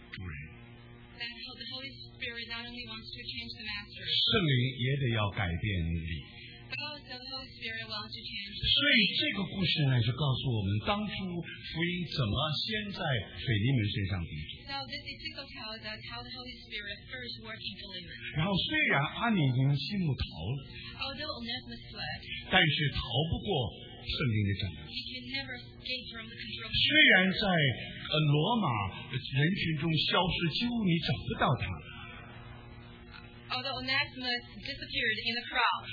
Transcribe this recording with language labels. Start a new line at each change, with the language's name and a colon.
English: The Holy Spirit not only wants to change the master, but also the Holy Spirit wants to change the master.
Chinese: 所以这个故事呢，就告诉我们当初福音怎么先在腓尼门身上得着。
English: So this epistle tells us how the Holy Spirit first worked in Philemon.
Chinese: 然后虽然阿尼已经心目逃了，
English: although Onesimus fled,
Chinese: 但是逃不过 圣灵的掌握，虽然在罗马人群中消失，几乎你找不到他。
English: Although Onesimus disappeared in the crowd,